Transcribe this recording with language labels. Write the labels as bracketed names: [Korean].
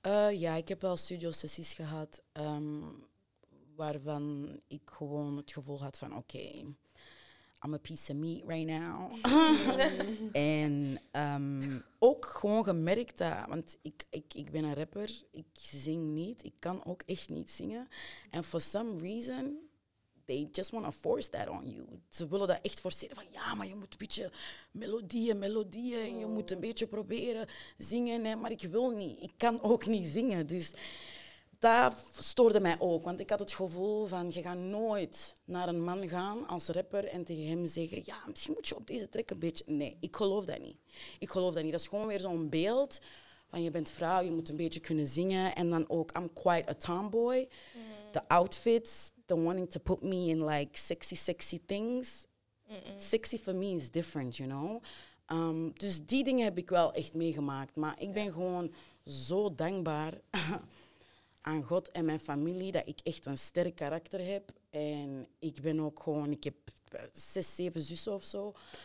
[Dutch] Ja, ik heb wel studiosessies gehad waarvan ik gewoon het gevoel had van, oké, [English] I'm a piece of meat right now. [Dutch] En ook gewoon gemerkt dat, want ik ben een rapper, ik zing niet, ik kan ook echt niet zingen. [English] And for some reason, they just want to force that on you. [Dutch] Ze willen dat echt forceren van, ja, maar je moet een beetje melodieën, en je moet een beetje proberen zingen. Nee, maar ik wil niet, ik kan ook niet zingen, dus... Dat stoorde mij ook, want ik had het gevoel van, je gaat nooit naar een man gaan als rapper en tegen hem zeggen, ja, misschien moet je op deze track een beetje... Nee, ik geloof dat niet. Ik geloof dat niet. Dat is gewoon weer zo'n beeld van, je bent vrouw, je moet een beetje kunnen zingen. En dan ook, [English] I'm quite a tomboy. The outfits, the wanting to put me in like sexy things. Mm-mm. Sexy for me is different, you know. [Dutch] Dus die dingen heb ik wel echt meegemaakt. Maar ik ben gewoon zo dankbaar... aan God en mijn familie, dat ik echt een sterk karakter heb. En ik ben ook gewoon, ik heb 6-7 zussen of zo.